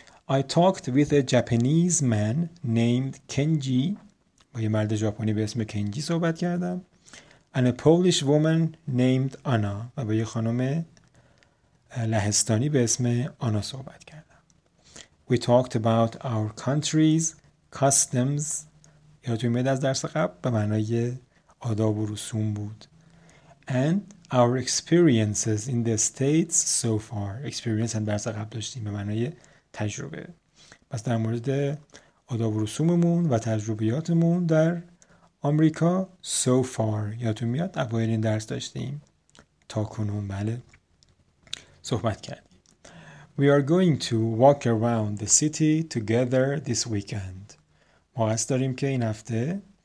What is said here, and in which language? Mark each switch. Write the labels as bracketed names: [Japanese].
[English] I talked with a Japanese man named Kenji. [Persian] با یه مرد ژاپنی به اسم کنجی صحبت کردم. [English] And a Polish woman named Anna. [Persian] و با یه خانم لهستانی به اسم آنا صحبت کردم. [English] We talked about our countries, customs. [Persian] یادتون میاد از درس قبل به معنای آداب و رسوم بود. [English] And our experiences in the States so far. [Persian] Experience هم درس قبل داشتیم به معنای تجربه. پس در مورد آداب و رسوممون و تجربیاتمون در آمریکا [English] so far. [Persian] یادتون میاد اوایل این درس داشتیم. تا کنون بله. صحبت کرد. [English] We are going to walk around the city together this weekend. [Persian] ما قصد داریم که این هفته